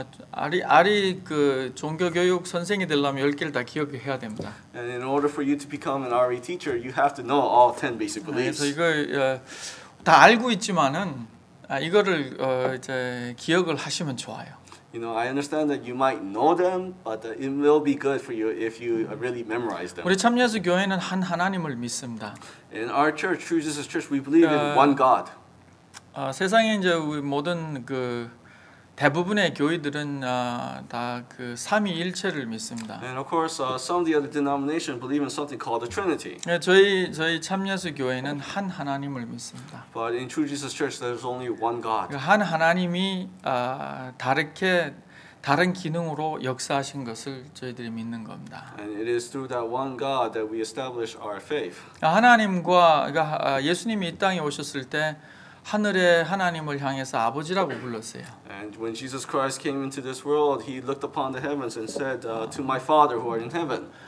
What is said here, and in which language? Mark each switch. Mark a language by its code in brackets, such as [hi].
[ko] 아리 그 종교 교육 선생이 되려면 열 개를 다 기억해야 됩니다. [en] And in order for you to become an RE teacher, you have to know all 10 basic beliefs. [ko] 그래서 이거 다 알고 있지만은 이거를 이제 기억을 하시면 좋아요. [en] You know, I understand that you might know them, but it will be good for you if you really memorize them. [ko] 우리 참여수 교회는 한 하나님을 믿습니다. [en] In our church, True Jesus Church, we believe in one God. [ko] 세상에 이제 우리 모든 그 대부분의 교회들은 다 그 삼위일체를 믿습니다. [en] And of course, some of the other denominations believe in something called the Trinity. [ko] 저희 참여수 교회는 한 하나님을 믿습니다. [en] But in True Jesus Church, there's only one God. [ko] 한 하나님이 다르게 다른 기능으로 역사하신 것을 저희들이 믿는 겁니다. [en] And it is through that one God that we establish our faith. [ko] 하나님과 예수님이 이 땅에 오셨을 때 하늘의 하나님을 향해서 아버지라고 불렀어요. [en] And when Jesus Christ came into this world, he looked upon the heavens and said, "To my Father who art in heaven."